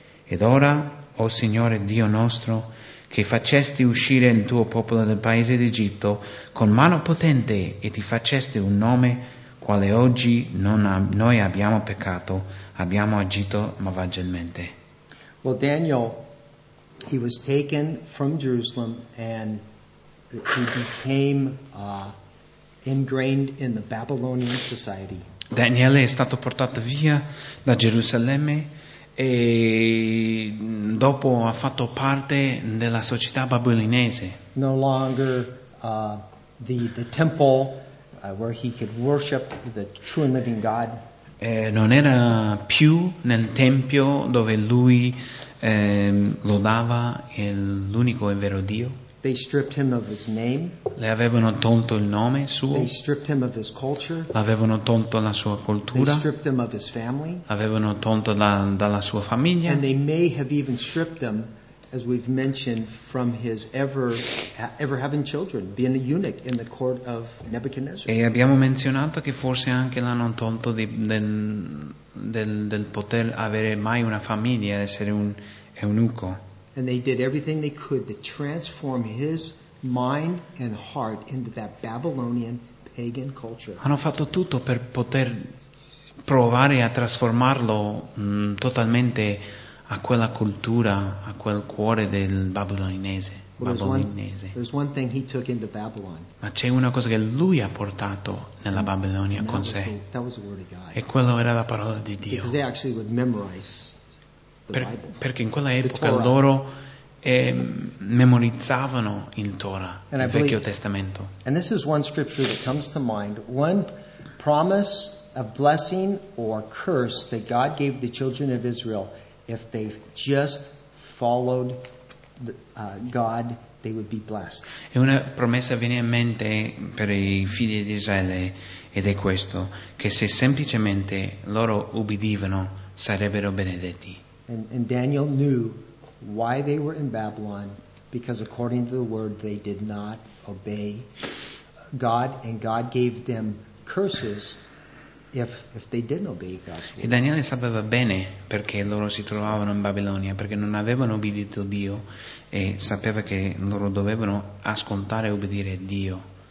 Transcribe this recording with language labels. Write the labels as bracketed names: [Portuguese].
[Italian] Ed ora, o Signore Dio nostro, che facesti uscire il tuo popolo dal paese d'Egitto con mano potente e ti facesti un nome, quale oggi noi abbiamo peccato, abbiamo agito malvagiamente. [English] Well, Daniel, he was taken from Jerusalem and he became ingrained in the Babylonian society. [Italian] Daniele è stato portato via da Gerusalemme e dopo ha fatto parte della società babilonese. [English] No longer the temple where he could worship the true and living God. [Italian] Non era più nel tempio dove lui lodava l'unico e vero Dio. [English] They stripped him of his name. [Italian] Le avevano tolto il nome suo. [English] They stripped him of his culture. [Italian] L'avevano tolto la sua cultura. [English] They stripped him of his family. [Italian] L'avevano tolto dalla sua famiglia. [English] And they may have even stripped him, as we've mentioned, from his ever having children, being a eunuch in the court of Nebuchadnezzar. [Italian] E abbiamo menzionato che forse anche l'hanno tolto del poter avere mai una famiglia, essere un eunuco. [English] And they did everything they could to transform his mind and heart into that Babylonian pagan culture. [Italian] Hanno fatto tutto per poter provare a trasformarlo totalmente a quella cultura, a quel cuore del babilonese. [English] There's one thing he took into Babylon. [Italian] Ma c'è una cosa che lui ha portato nella Babilonia con sé. [English] That was the word of God. [Italian] E quello era la parola di Dio. [English] Because they actually would memorize. [Italian] Perché in quella epoca loro memorizzavano il Torah, il Vecchio Testamento. [English] And this is one scripture that comes to mind. One promise of blessing or curse that God gave the children of Israel, if they just followed God, they would be blessed. [Italian] E una promessa viene in mente per i figli di Israele, ed è questo, che se semplicemente loro ubbidivano, sarebbero benedetti. [English] And Daniel knew why they were in Babylon, because according to the word, they did not obey God, and God gave them curses if they didn't obey God's word. [Italian] E Daniele sapeva bene perché loro si trovavano in Babilonia, perché non avevano obbedito Dio, e sapeva che loro dovevano ascoltare e obbedire Dio.